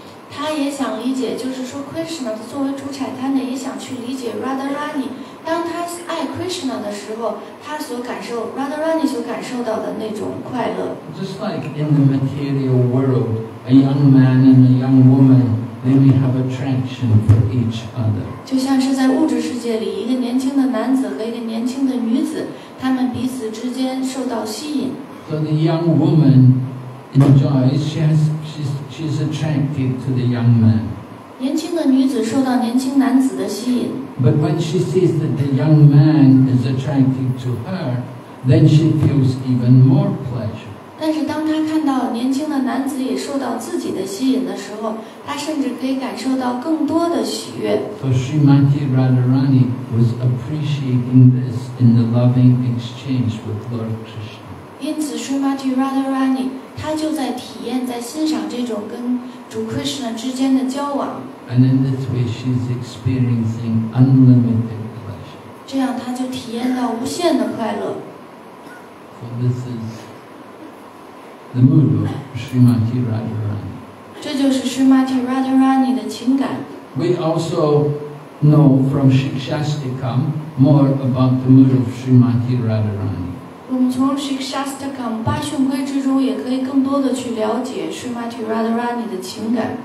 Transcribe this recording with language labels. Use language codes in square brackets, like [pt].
[zh] 他也想理解，就是说 ，Krishna 作为主产，他呢也想去理解 Radharani。当他爱 Krishna 的时候，他所感受 Radharani 所感受到的那种快乐。 [en] Just like in the material world, a young man and a young woman, they may have attraction for each other. [zh] 就像是在物质世界里，一个年轻的男子和一个年轻的女子，他们彼此之间受到吸引。 [en] So the young woman enjoys She's attracted to the young man. [zh] 年轻的女子受到年轻男子的吸引。 [en] But when she sees that the young man is attracted to her, then she feels even more pleasure. [zh] 但是当她看到年轻的男子也受到自己的吸引的时候，她甚至可以感受到更多的喜悦。 [en] So Srimati Radharani was appreciating this in the loving exchange with Lord Krishna. [zh] 因此 ，Srimati Radharani。他就在体验，在欣赏这种跟主 Krishna 之间的交往。 [en] And in this way, she's experiencing unlimited pleasure. [zh] 这样，他就体验到无限的快乐。 [en] So this is the mood of Srimati Radharani. [zh] 这就是 Srimati Radharani 的情感。 [en] We also know from Shikshastikam more about the mood of Srimati Radharani. [zh] 我们从 Shikshastakam 八训规之中也可以更多的去了解 Srimati Radharani 的情感。